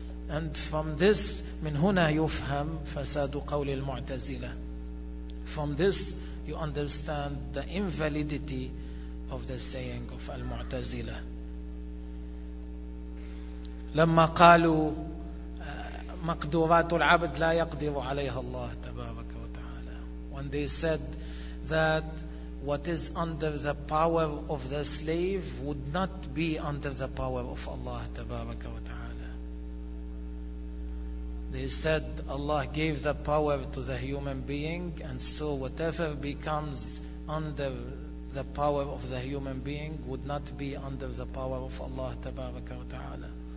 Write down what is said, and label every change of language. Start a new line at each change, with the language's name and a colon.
English: And from this,
Arabic: من هنا يفهم فساد قول المعتزلة.
English: From this, you understand the invalidity of the saying of Al-Mu'tazila.
Arabic: لما قالوا مقدورات العبد لا يقدر عليها الله تبارك وتعالى.
English: When they said that what is under the power of the slave would not be under the power of Allah تبارك وتعالى. They said Allah gave the power to the human being, and so whatever becomes under the power of the human being would not be under the power of Allah tabaraka wa ta'ala.